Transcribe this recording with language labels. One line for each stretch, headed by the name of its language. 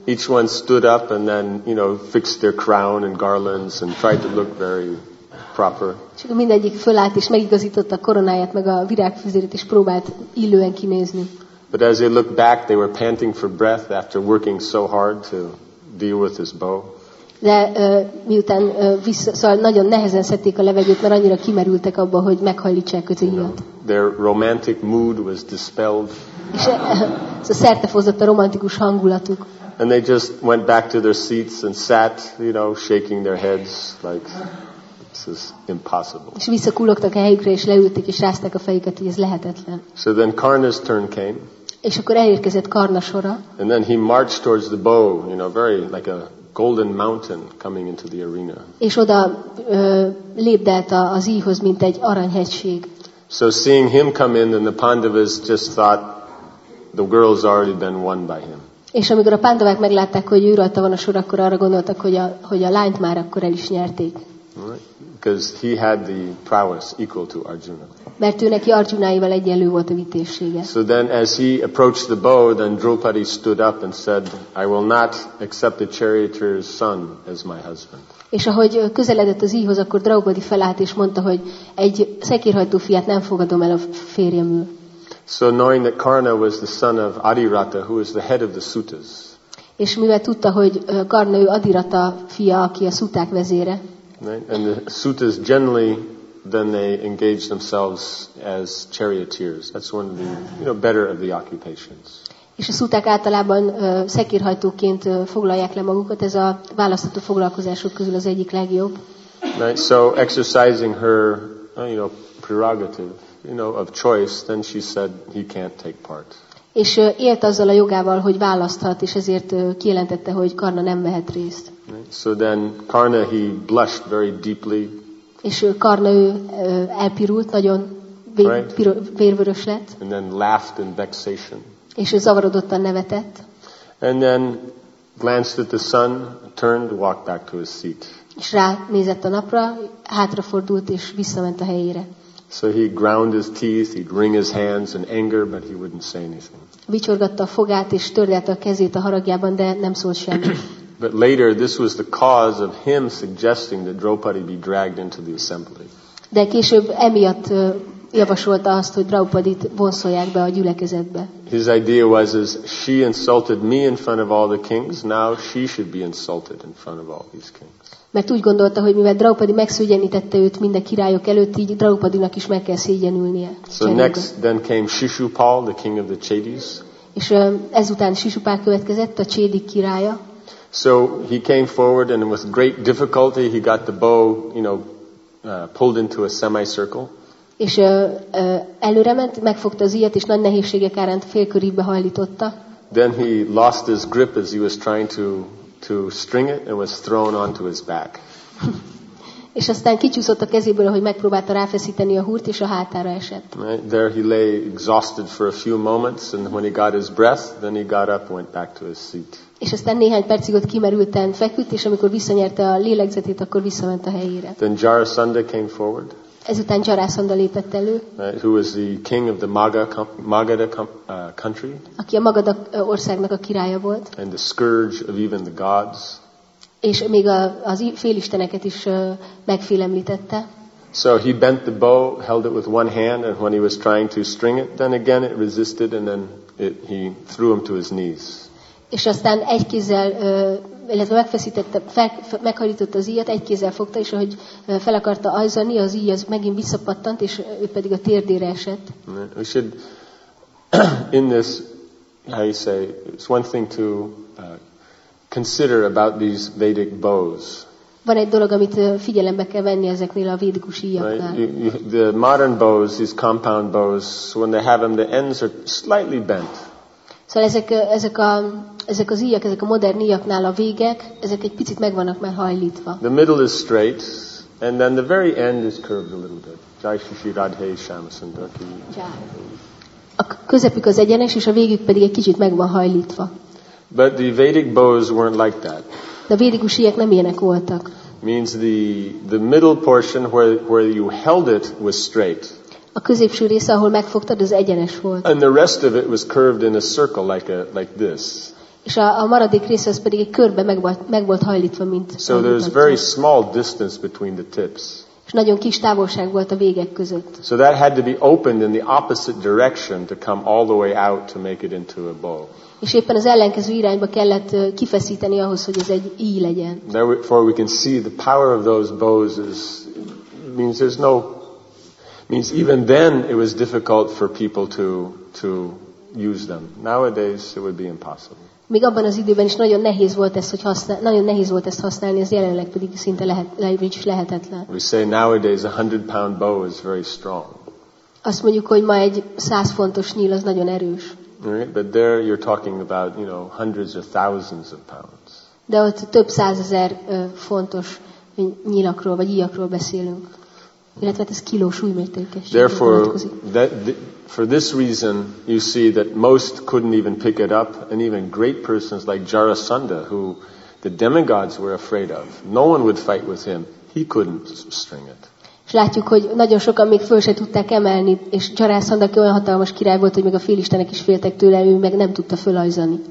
English: Each one stood up and then, you know, fixed their crown and garlands and tried to look very proper.
Hungarian: És mindegyik fölállt és megigazította a koronáját, meg a virágfüzérét, és próbált illően kinézni.
English: But as they looked back, they were panting for breath after working so hard to deal with his bow.
Hungarian: De miután vissza, szóval nagyon nehezen szedték a levegőt, mert annyira kimerültek abba, hogy meghajlítsák kötőhíjat.
English: Their romantic mood was dispelled.
Hungarian: És szóval szertefozott a romantikus hangulatuk.
English: And they just went back to their seats and sat, you know, shaking their heads like this is impossible.
Hungarian: És visszakullogtak a helyükre, és leültek, és rázták a fejüket, hogy ez lehetetlen.
English: So then Karna's turn came.
Hungarian: És akkor elérkezett Karna sora.
English: And then he marched towards the bow, you know, very like a golden mountain coming into the arena.
Hungarian: És oda lépdelt az íjhoz, mint egy aranyhegység.
English: So seeing him come in, then the Pandavas just thought the girl's already been won by him.
Hungarian: És amikor a Pandavák meglátták, hogy ő rajta van a sor, akkor arra gondoltak, hogy a lányt már akkor el is nyerték.
English: Because he had the prowess equal to Arjuna.
Hungarian: Mert ő neki Arjunáival egyenlő volt a vitézsége.
English: So then as he approached the bow, then Draupadi stood up and said, I will not accept the charioteer's son as my husband.
Hungarian: És ahogy közeledett az íjhoz, akkor Draupadi felállt és mondta, hogy egy szekérhajtó fiát nem fogadom el a férjemül.
English: So knowing that Karna was the son of Adirata, who is the head of the sutas.
Hungarian: És mivel tudta, hogy Karna ő Adirata fia, aki a szuták vezére.
English: Right? And the sutas generally, then they engage themselves as charioteers. That's one of the, you know, better of the occupations.
Hungarian: És a szuták általában szekérhajtóként foglalják le magukat. Ez a választható foglalkozások közül az egyik legjobb.
English: Right? So exercising her, you know, prerogative, you know, of choice, then she said he can't take part.
Hungarian: És élt azzal a jogával, hogy választhat, és ezért kijelentette, hogy Karna nem vehet részt.
English: Right? So then Karna, he blushed very deeply.
Hungarian: És Karna elpirult, nagyon vérvörös lett.
English: And then laughed in vexation.
Hungarian: És zavarodottan nevetett.
English: And then glanced at the sun, turned, walked back to his seat.
Hungarian: És ránézett a napra, hátrafordult és visszament a helyére.
English: So he ground his teeth, he'd wring his hands in anger, but he wouldn't say anything.
Hungarian: Vicsorgatta a fogát és tördelte a kezét a haragjában, de nem szólt semmit.
English: But later this was the cause of him suggesting that Draupadi be dragged into the assembly.
Hungarian: De később emiatt javasolta azt, hogy Draupadit vonszolják be a gyülekezetbe.
English: His idea was, is she insulted me in front of all the kings, now she should be insulted in front of all these kings.
Hungarian: Mert úgy gondolta, hogy mivel Draupadi megszégyenítette őt minden királyok előtt, így Draupadinak is meg kell szégyenülnie.
English: So
Hungarian: cserébe.
English: Next then came Shishupal, the king of the Chedis.
Hungarian: És ezután Shishupal következett, a Chedik királya.
English: So he came forward and with great difficulty he got the bow, you know, pulled into a semicircle.
Hungarian: És előre ment, megfogta az íjat, és nagy nehézségek árán félkörébe hajlította.
English: Then he lost his grip as he was trying to string it and was thrown onto his back.
Hungarian: És aztán kicsúszott a kezéből, ahogy megpróbálta ráfeszíteni a húrt, és a hátára esett.
English: Right? There he lay exhausted for a few moments, and when he got his breath, then he got up and went back to his seat.
Hungarian: És aztán néhány percig ott kimerülten feküdt, és amikor visszanyerte a lélegzetét, akkor visszament a helyére.
English: Then Jarasandha came forward.
Hungarian: Ezután Jarasandha lépett elő.
English: Right? Who was the king of the Magadha country.
Hungarian: Aki a Magadha országnak a királya volt.
English: And the scourge of even the gods.
Hungarian: És még az félisteneket is megfélemlítette.
English: So he bent the bow, held it with one hand, and when he was trying to string it, then again it resisted, and then he threw him to his knees.
Hungarian: És aztán egy kézzel, illetve megfeszítette, meghajlította az íjat, egy kézzel fogta, és ahogy fel akarta ajzani, az íj az megint visszapattant, és ő pedig a térdére esett.
English: We should, in this, how you say, it's one thing to consider about these Vedic bows.
Hungarian: van egy dolog, amit figyelembe kell venni ezeknél a védikus íjaknál.
English: The modern bows, these compound bows, when they have them, the ends are slightly bent.
Hungarian: Szóval ezek az íjak, ezek a modern íjaknál a végek, ezek egy picit meg vannak meghajlítva.
English: The middle is straight, and then the very end is curved a little bit.
Sanskrit: Jai Shri Radhe Shyamasundarki.
Hungarian: A közepük az egyenes, és a végük pedig egy kicsit meg van hajlítva.
English: But the Vedic bows weren't like that.
Hungarian: De a védikus íjak nem ilyenek voltak.
English: Means the middle portion where you held it was straight.
Hungarian: A középső része, ahol megfogtad, az egyenes volt.
English: And the rest of it was curved in a circle like this.
Hungarian: És a maradék része az pedig egy körbe meg volt hajlítva, mint.
English: So there's very small distance between the tips.
Hungarian: És nagyon kis távolság volt a végek között.
English: So that had to be opened in the opposite direction to come all the way out to make it into a bow.
Hungarian: És éppen az ellenkező irányba kellett kifeszíteni ahhoz, hogy ez egy íj legyen.
English: Therefore we can see the power of those bows is means there's no means even then it was difficult for people to use them. Nowadays it would be impossible.
Hungarian: Még abban az időben is nagyon nehéz volt ezt, hogy nagyon nehéz volt ezt használni, ez jelenleg pedig szinte lehetetlen.
English: We say nowadays a 100-pound bow is very strong.
Hungarian: Azt mondjuk, hogy ma egy 100 fontos nyíl az nagyon erős.
English: Right? But there you're talking about, you know, hundreds or thousands of pounds.
Hungarian: De ott több százezer fontos nyílakról vagy íjakról beszélünk. Illetve ez kiló súlymértékes.
English: Therefore, for this reason, you see that most couldn't even pick it up, and even great persons like Jarasandha, who the demigods were afraid of, no one would fight with him. He couldn't string it.
Hungarian: És látjuk, hogy nagyon sokan még föl se tudták emelni, és Jarasandha, aki olyan hatalmas király volt, hogy még a félistenek is féltek tőle, ő meg nem tudta fölajzani.